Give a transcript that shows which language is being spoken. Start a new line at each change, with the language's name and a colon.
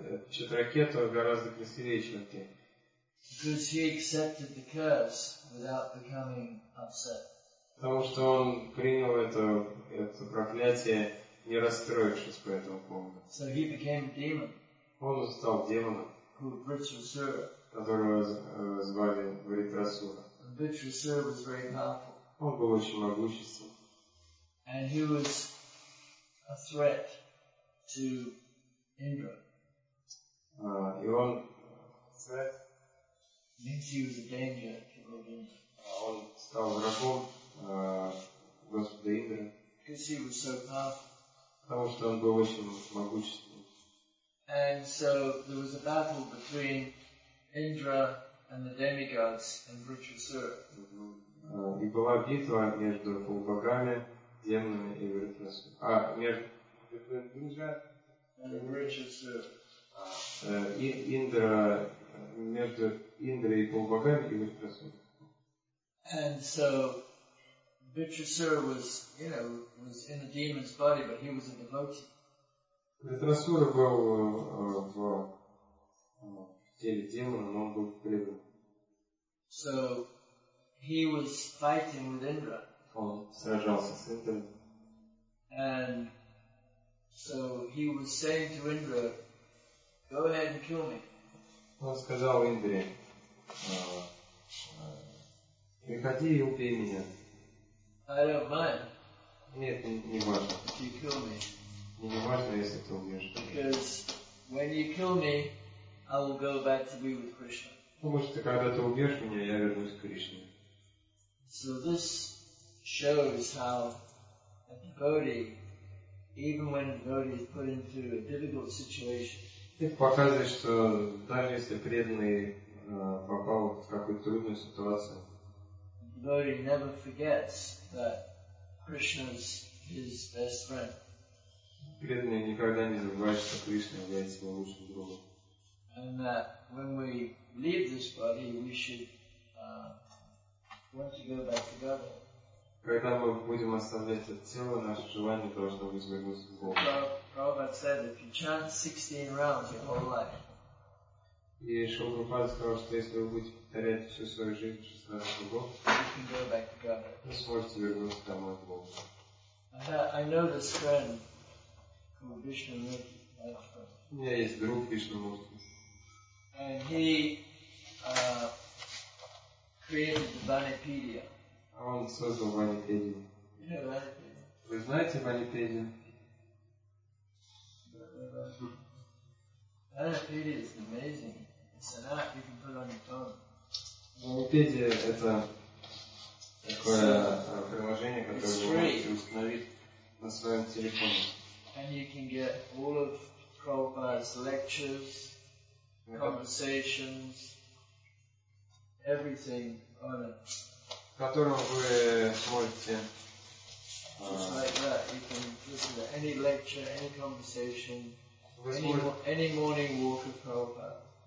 Russian: Читракету гораздо красивее, чем ты.
English: Because he accepted the curse without becoming upset.
Russian: Потому что он принял это проклятие, не расстроившись по этому поводу.
English: So he became a demon.
Russian: Он стал демоном.
English: Called Vritrasura.
Russian: Которого звали Вритрасура.
English: And Vritrasura was very powerful.
Russian: Он был очень могуществен.
English: And he was a threat to Indra.
Russian: И он
English: threat. Means he was a danger to Lord Indra.
Russian: Он стал врагом Господа Индры.
English: Because he was so powerful.
Russian: Потому что он был очень могуществен.
English: And so there was a battle between Indra and the demigods and Vritrasura.
Russian: И была битва между полубогами, демонами и Вритрасура. Между Индрой и полубогами и Вритрасура.
English: And so Vritrasura was, you know, was in a demon's body, but he was a devotee.
Russian: Vritrasura был в теле демона, но он был предан.
English: So he was fighting with Indra.
Russian: Он сражался с Индрой.
English: And so he was saying to Indra, "Go ahead and kill me."
Russian: Он сказал Индре, "Приходи и убей меня."
English: I don't mind.
Russian: Нет, не важно.
English: If you kill me.
Russian: Мне не важно, если ты убьешь.
English: Because when you kill me, I will go back to be with Krishna.
Russian: Потому что когда ты убьешь меня, я вернусь к Кришне.
English: So this shows how a devotee, even when a devotee is put into a difficult situation.
Russian: Ты показываешь, что даже если преданный попал в какую-то трудную ситуацию.
English: Devotee never forgets that Krishna is his best friend.
Russian: Преданный никогда не забывает, что Кришна является его лучшим другом.
English: And that when we leave this body, we should want to go back to God.
Russian: Когда мы будем оставлять это тело, наше желание должно быть вернуться к Богу.
English: Prabhupada said, if you chant 16 rounds your whole life.
Russian: И Шрила Прабхупада сказал, что если вы будете повторять всю свою жизнь 16 кругов,
English: you can go back to God.
Russian: Вы сможете вернуться домой к Богу.
English: I know this friend called Vishnamurti.
Russian: У меня есть друг Вишнамурти.
English: And he created the Vanipedia.
Russian: А он создал Ванипедию. Вы знаете Ванипедию?
English: Ванипедия is amazing. It's an app you can put on your phone.
Russian: Ванипедия это такое приложение, которое вы можете установить на своем телефоне.
English: And you can get all of Prabhupada's lectures, conversations, everything on it.
Russian: В котором вы можете
English: just like that, you can listen to any lecture, any conversation, any morning walk of Prabhupada.